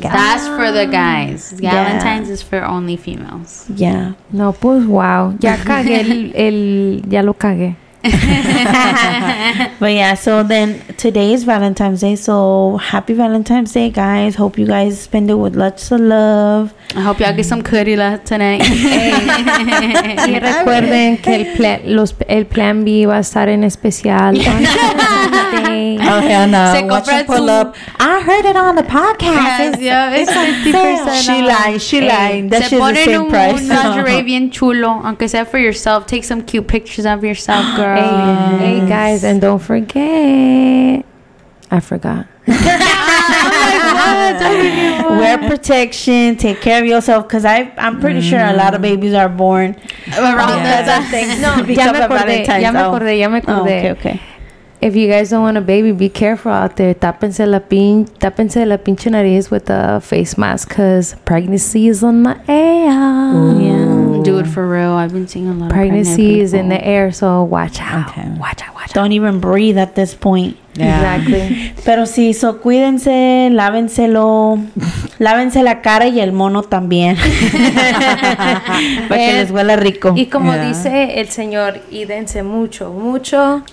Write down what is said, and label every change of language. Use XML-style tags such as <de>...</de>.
<en>That's for the guys. Galentine's is for only females. Yeah.</en> <es>No, pues wow. Ya cagué ya lo cagué.</es> <en>But yeah, so then today is Valentine's Day, so happy Valentine's Day, guys. Hope you guys spend it with lots of love. I hope y'all get some curry tonight.</en> <es>Y recuerden que el plan B va a estar en especial.</es> <en>I heard it on the podcast. Yes, it's 50%. She lying. That shit is the same price.</en> <es>Se pone un Arabian chulo, aunque sea</es> <en>for yourself. Take some cute pictures of yourself, girl. Hey, guys, and don't forget. I forgot. Wear protection. Take care of yourself, because I'm pretty sure a lot of babies are born around that</en> <es>time. No, ya me acordé.</es> <en>Oh, okay. If you guys don't want a baby, be careful out there.</en> <es>Tápense la pinche nariz</es> <en>with a face mask, because pregnancy is on the air. Do it for real. I've been seeing a lot pregnancy is in the air, so watch out. Watch out. Don't even breathe at this point. Yeah. Exactly.</en> <es>Pero sí, so cuídense, lávenselo, lávense la cara y el mono también. Para que les huela rico. Y como dice el señor, y dense mucho, mucho</es>